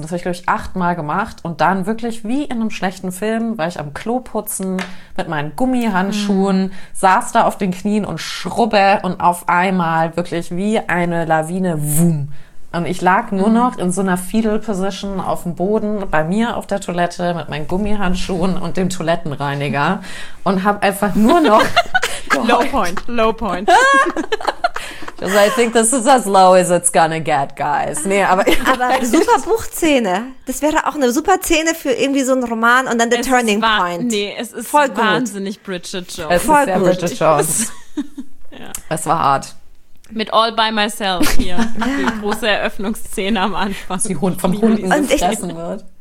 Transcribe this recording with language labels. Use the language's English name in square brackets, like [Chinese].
[German] Und das habe ich, glaube ich, 8-mal gemacht. Und dann wirklich wie in einem schlechten Film war ich am Klo putzen mit meinen Gummihandschuhen, saß da auf den Knien und schrubbe und auf einmal wirklich wie eine Lawine, wumm. Und ich lag nur noch in so einer Fetal-Position auf dem Boden bei mir auf der Toilette mit meinen Gummihandschuhen und dem Toilettenreiniger und habe einfach nur noch [English] Low point. Because I think this is as low as it's gonna get, guys. [German] Nee, aber super Buchszene. Das wäre auch eine super Szene für irgendwie so einen Roman und dann [English] the turning point. [German] Nee, es ist voll wahnsinnig gut. Bridget Jones. Es voll ist sehr gut. Bridget Jones. Es war hart. Mit All By Myself hier. Die große Eröffnungsszene am Anfang. Die Hund vom Hund ihn gefressen wird.